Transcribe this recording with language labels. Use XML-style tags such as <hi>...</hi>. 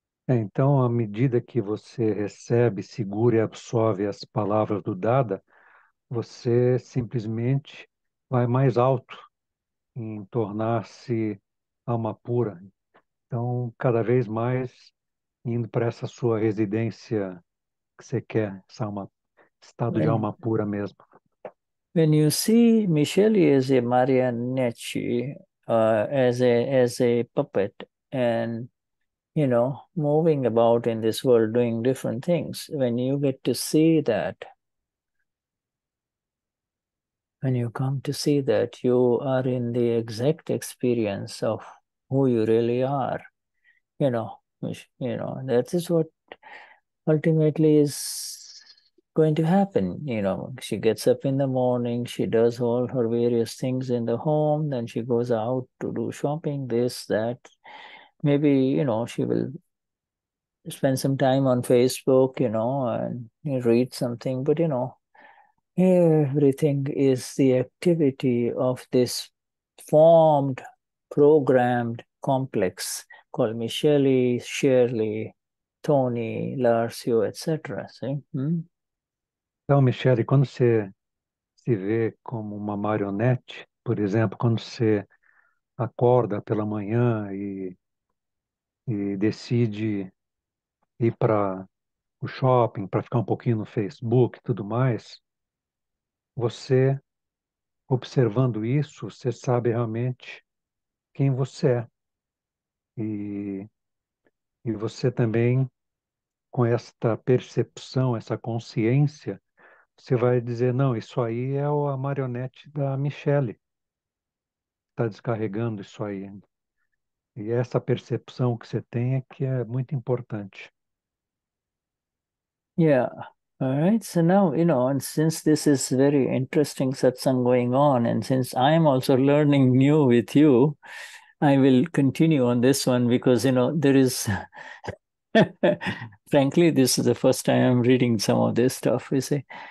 <pt>Então, à medida que você recebe, segura e absorve as palavras do Dada, você simplesmente vai mais alto em tornar-se alma pura. Então, cada vez mais indo para essa sua residência que você quer, essa alma pura. Estado de alma pura mesmo.</pt> <en>When you see Michele as a marionette, as a puppet, and, you know, moving about in this world, doing different things, when you get to see that, when you come to see that, you are in the exact experience of who you really are. You know, that is what ultimately is going to happen. You know, she gets up in the morning, she does all her various things in the home, then she goes out to do shopping, this, that. Maybe, you know, she will spend some time on Facebook, you know, and read something, but, you know, everything is the activity of this formed, programmed complex called Michele, Shirley, Tony, Larcio, etc. See?</en> <pt>Então, Michele, quando você se vê como uma marionete, por exemplo, quando você acorda pela manhã e decide ir para o shopping, para ficar um pouquinho no Facebook e tudo mais, você, observando isso, você sabe realmente quem você é. E você também, com esta percepção, essa consciência, você vai dizer: não, isso aí é a marionete da Michelle. Está descarregando isso aí. E essa percepção que você tem é que é muito importante.</pt> <en>Yeah, all right. So now, and since this is very interesting satsang going on, and since I am also learning new with you, I will continue on this one because, there is, frankly, this is the first time I'm reading some of this stuff, you see.</en>